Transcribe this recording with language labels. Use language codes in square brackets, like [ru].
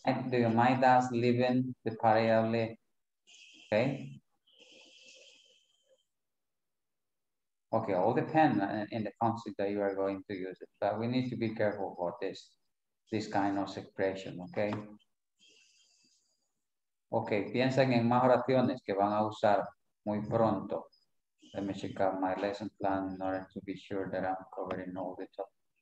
[en] And do you mind us leaving the party early? Okay. Okay, all depends in the context that you are going to use it. But we need to be careful about this kind of expression, okay? [es] Okay, piensen en más oraciones que van a usar muy pronto. [en] Let me check out my lesson plan in order to be sure that I'm covering all the topics.